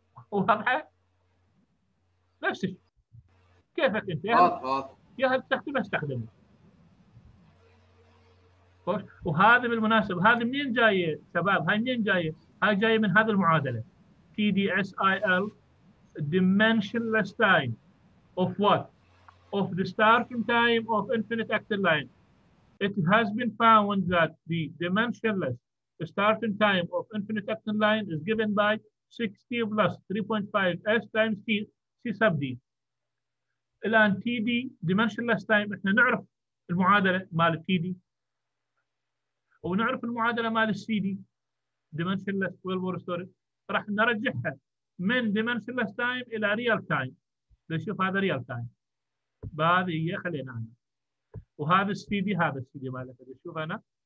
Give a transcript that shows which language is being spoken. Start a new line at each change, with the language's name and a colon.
Arabic: واضحه؟ نفس الشيء. كيفك انت؟ يا هل تستخدمه استخدمه. وهذا بالمناسبه هذا منين جايه شباب؟ هاي منين جايه؟ هاي جايه من هذه المعادله تي دي اس اي ال
English: dimensionless time of what? Of the starting time of infinite action line. It has been found that the dimensionless starting time of infinite action line is given by 60 plus 3.5 s times t c sub d.
Arabic: الان td dimensionless time احنا نعرف المعادله مال td ونعرف المعادله مال cd dimensionless Wellbore Storage، راح نرجعها من dimensionless time الى real time. بنشوف هذا ريال تايم. هذه هي خلينا هنا. وهذا السي دي، هذا السي دي مالك بنشوف انا.